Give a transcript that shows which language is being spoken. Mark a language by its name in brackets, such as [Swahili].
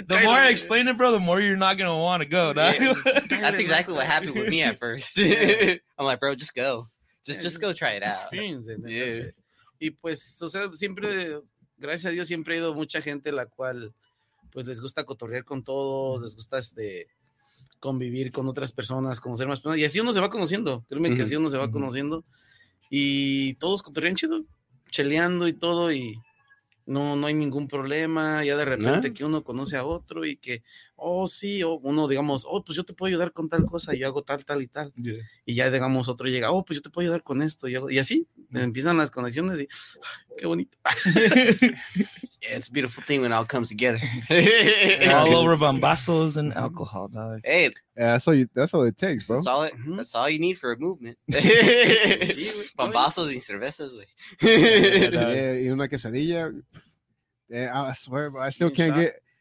[English] The more I explain it, bro, the more you're not going to want to go. No? Yeah, that's exactly what happened with me at first. Yeah. I'm like, bro, just go. Just go try it out. Experience it, yeah. [Spanish] Y pues, o sea, siempre, gracias a Dios, siempre ha ido mucha gente la cual, pues, les gusta cotorrear con todos, les gusta convivir con otras personas, conocer más personas. Y así uno se va conociendo, créeme que así uno se va conociendo. Y todos cotorrean chido, cheleando y todo, y no hay ningún problema. Ya de repente que uno conoce a otro y que, oh, sí, o uno, digamos, oh, pues yo te puedo ayudar con tal cosa, yo hago tal, tal y tal. Yeah. Y ya, digamos, otro llega, oh, pues yo te puedo ayudar con esto. Y así empiezan las conexiones y, qué bonito. [English] Yeah, it's a beautiful thing when it all comes together. All over bambazos and alcohol, dog. Hey. Yeah, that's all it takes, bro. That's all you need for a movement. [Spanish] Bambazos y cervezas, güey. [English] Yeah, [Spanish] y una quesadilla. [English] Yeah, I swear, bro, I still can't get...